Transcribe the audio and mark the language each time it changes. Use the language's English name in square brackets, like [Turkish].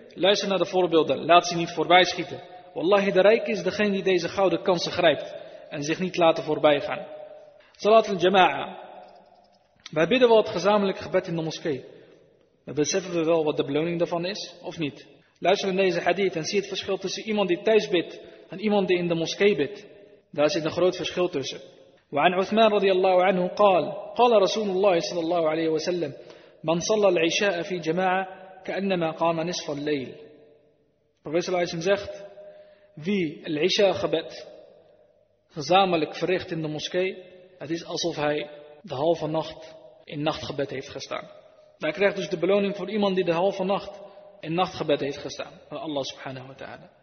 [Dutch] Luister naar de voorbeelden, laat ze niet voorbij schieten. Wallahi, de rijke is degene die deze gouden kansen grijpt en zich niet laten voorbij gaan. Salat al-jama'a. Wij bidden wel het gezamenlijke gebed in de moskee. Maar beseffen we wel wat de beloning daarvan is, of niet? Luister naar deze hadith en zie het verschil tussen iemand die thuis bidt en iemand die in de moskee bidt. Daar zit een groot verschil tussen. [Arabic] وعن عثمان رضي الله عنه قال قال رسول الله صلى الله عليه وسلم من صلى العشاء في جماعة كأنما قام نصف الليل. [Dutch] Profeet Allah zegt: wie het isha gebed gezamenlijk verricht in de moskee, het is alsof hij de halve nacht in nachtgebed heeft gestaan. Hij krijgt dus de beloning voor iemand die de halve nacht in nachtgebed heeft gestaan van Allah subhanahu wa ta'ala.